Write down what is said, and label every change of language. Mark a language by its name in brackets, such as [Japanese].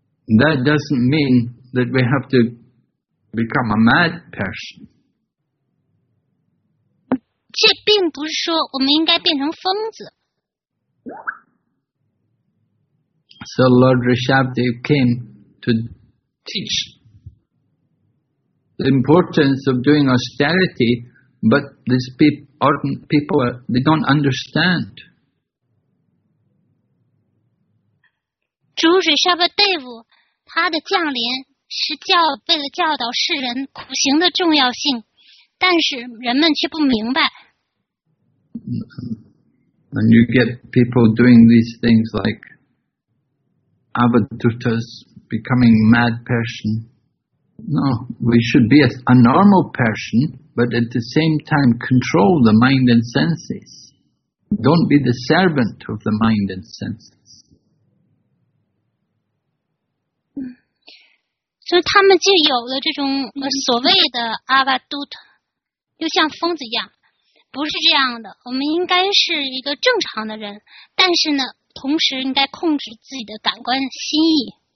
[English] That doesn't mean that we have to become a mad person. [Chinese] 这并不是说我们应该变成疯子。 [English] So Lord Rishabhdev came to teach the importance of doing austerity, but these people, they don't understand. [Chinese] 主 Rishabhdev, 他的降临是为了教导世人苦行的重要性，但是人们却不明白。 [English] And you get people doing these things like,Avadutas becoming mad person. No, we should be a normal person, but at the same time control the mind and senses. Don't be the servant of the mind and senses. [Chinese] 所以他们就有了这种所谓的阿瓦杜特，就像疯子一样。不是这样的，我们应该是一个正常的人，但是呢同时应该控制自己的感官心意。